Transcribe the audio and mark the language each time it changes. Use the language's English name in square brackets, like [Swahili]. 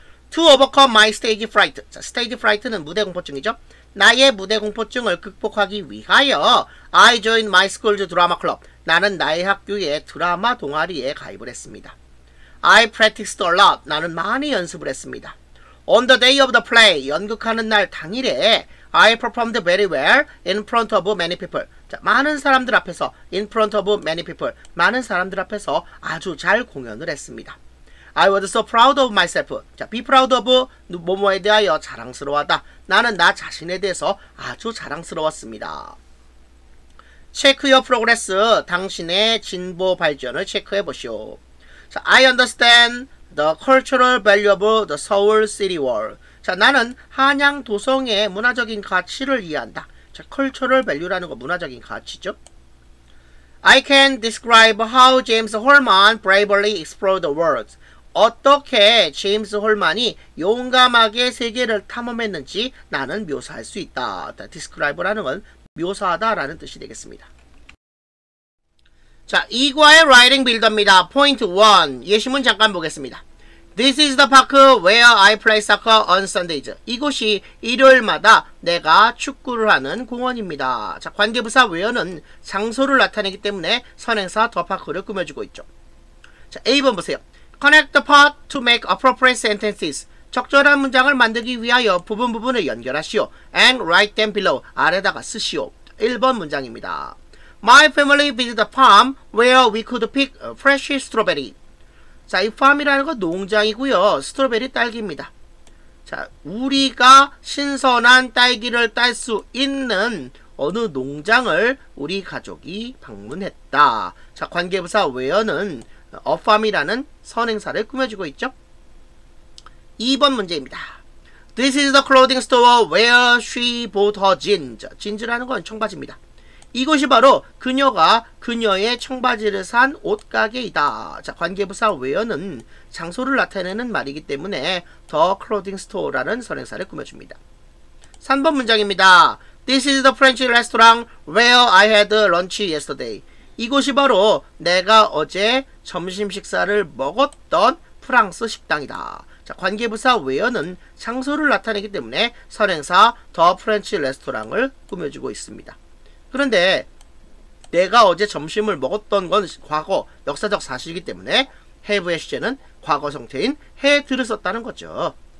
[English] To overcome my stage fright. [Korean] 자, stage fright는 무대 공포증이죠. 나의 무대 공포증을 극복하기 위하여 [English] I joined my school's drama club. [Korean] 나는 나의 학교의 드라마 동아리에 가입을 했습니다. [English] I practiced a lot. [Korean] 나는 많이 연습을 했습니다. [English] On the day of the play, [Korean] 연극하는 날 당일에 [English] I performed very well in front of many people. [Korean] 자, 많은 사람들 앞에서 [English] in front of many people. [Korean] 많은 사람들 앞에서 아주 잘 공연을 했습니다. [English] I was so proud of myself. 자, be proud of [Korean] 뭐뭐에 대하여 자랑스러워하다. 나는 나 자신에 대해서 아주 자랑스러웠습니다. [English] Check your progress. [Korean] 당신의 진보 발전을 체크해 보시오. [English] 자, I understand the cultural value of the Seoul City Wall. [Korean] 자, 나는 한양 도성의 문화적인 가치를 이해한다. 자, cultural value라는 거 문화적인 가치죠. [English] I can describe how James Holman bravely explored the world. [Korean] 어떻게 제임스 홀만이 용감하게 세계를 탐험했는지 나는 묘사할 수 있다. Describe라는 건 묘사하다라는 뜻이 되겠습니다. 자, 2과의 Writing Builder입니다. Point 1. 예시문 잠깐 보겠습니다. [English] This is the park where I play soccer on Sundays. [Korean] 이곳이 일요일마다 내가 축구를 하는 공원입니다. 자, 관계부사 where는 장소를 나타내기 때문에 선행사 the park를 꾸며주고 있죠. 자, A번 보세요. [English] Connect the part to make appropriate sentences. [Korean] 적절한 문장을 만들기 위하여 부분 부분을 연결하시오. [English] And write them below. [Korean] 아래다가 쓰시오. 1번 문장입니다. [English] My family visited the farm where we could pick fresh strawberry. [Korean] 자, 이 farm이라는 건 농장이고요. 스트로베리 딸기입니다. 자, 우리가 신선한 딸기를 딸 수 있는 어느 농장을 우리 가족이 방문했다. 자, 관계부사 where는 A farm이라는 선행사를 꾸며주고 있죠. 2번 문제입니다. [English] This is the clothing store where she bought her jeans. [Korean] Jeans라는 건 청바지입니다. 이곳이 바로 그녀가 그녀의 청바지를 산 옷가게이다. 자, 관계부사 where는 장소를 나타내는 말이기 때문에 the clothing store라는 선행사를 꾸며줍니다. 3번 문장입니다. [English] This is the French restaurant where I had lunch yesterday. [Korean] 이곳이 바로 내가 어제 점심 식사를 먹었던 프랑스 식당이다. 자, 관계부사 where는 장소를 나타내기 때문에 선행사 the French restaurant을 꾸며주고 있습니다. 그런데 내가 어제 점심을 먹었던 건 과거 역사적 사실이기 때문에 have의 시제는 과거 형태인 had를 썼다는 거죠.